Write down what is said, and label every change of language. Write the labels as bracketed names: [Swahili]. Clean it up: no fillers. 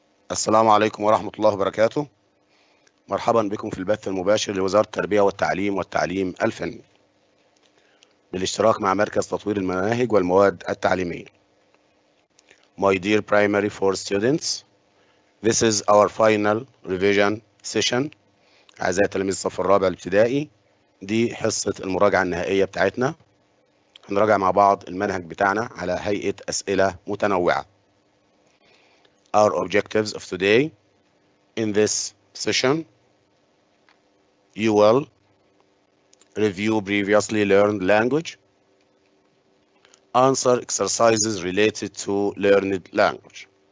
[Arabic] السلام عليكم ورحمة الله وبركاته. مرحبا بكم في البث المباشر لوزارة التربية والتعليم والتعليم الفني بالاشتراك مع مركز تطوير المناهج والمواد التعليمية. [English] My dear primary four students, this is our final revision session. [Arabic] أعزائي تلاميذ الصف الرابع الابتدائي، دي حصة المراجعة النهائية بتاعتنا. هنراجع مع بعض المنهج بتاعنا على هيئة أسئلة متنوعة. [English] Our objectives of today in this session, you will review previously learned language, answer exercises related to learned language.